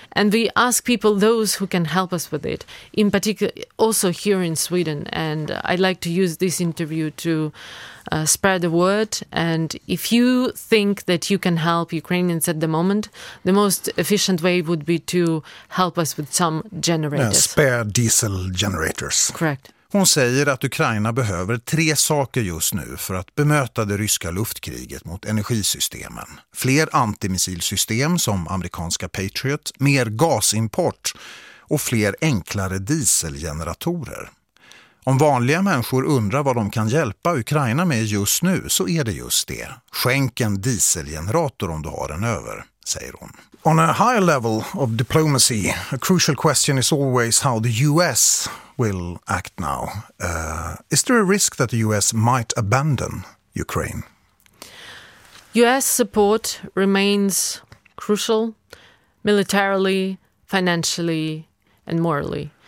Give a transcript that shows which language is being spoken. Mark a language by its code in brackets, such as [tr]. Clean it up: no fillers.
[en] And we ask people, those who can help us with it, in particular also here in Sweden. And I'd like to use this interview to spread the word. And if you think that you can help Ukrainians at the moment, the most efficient way would be to help us with some generators. spare diesel generators. Correct. [sv] Hon säger att Ukraina behöver tre saker just nu för att bemöta det ryska luftkriget mot energisystemen. Fler antimissilsystem som amerikanska Patriot, mer gasimport och fler enklare dieselgeneratorer. Om vanliga människor undrar vad de kan hjälpa Ukraina med just nu, så är det just det. Skänk en dieselgenerator om du har den över, säger hon. [en] On a higher level of diplomacy, a crucial question is always how the US will act now. Is there a risk that the US might abandon Ukraine? US support remains crucial militarily, financially and morally.